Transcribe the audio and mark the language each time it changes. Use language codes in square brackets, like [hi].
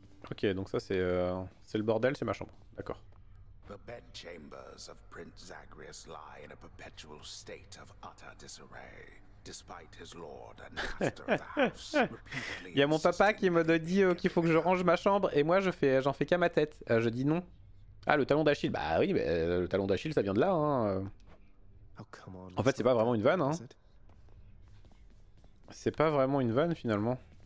[fr] Ok, donc ça c'est le bordel, c'est ma chambre, d'accord. [en] The bedchambers of Prince Zagreus lie in a perpetual state of utter disarray, despite his lord and master of the house. [fr] Il y a mon papa qui me dit qu'il faut que je range ma chambre et moi j'en fais qu'à ma tête. Je dis non. Ah, le talon d'Achille, bah oui, mais le talon d'Achille ça vient de là. Hein. En fait, c'est pas vraiment une vanne. Hein. C'est pas vraiment une vanne finalement.